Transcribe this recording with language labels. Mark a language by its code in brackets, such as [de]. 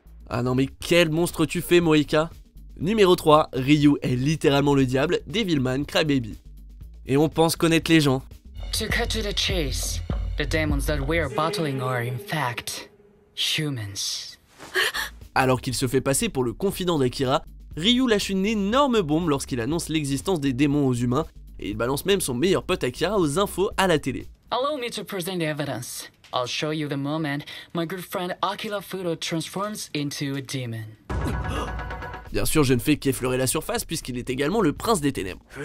[fr] Ah non mais quel monstre tu fais Moeka ? Numéro 3, Ryu est littéralement le diable, Devilman Crybaby. Et on pense connaître les gens. [en] To cut to the chase, the demons that we are battling are in fact humans. [fr] Alors qu'il se fait passer pour le confident d'Akira, Ryu lâche une énorme bombe lorsqu'il annonce l'existence des démons aux humains, et il balance même son meilleur pote Akira aux infos à la télé. [en] Allow me to present the evidence. I'll show you the moment my good friend Akira Fudo transforms into a demon. [fr] Bien sûr, je ne fais qu'effleurer la surface puisqu'il est également le prince des ténèbres.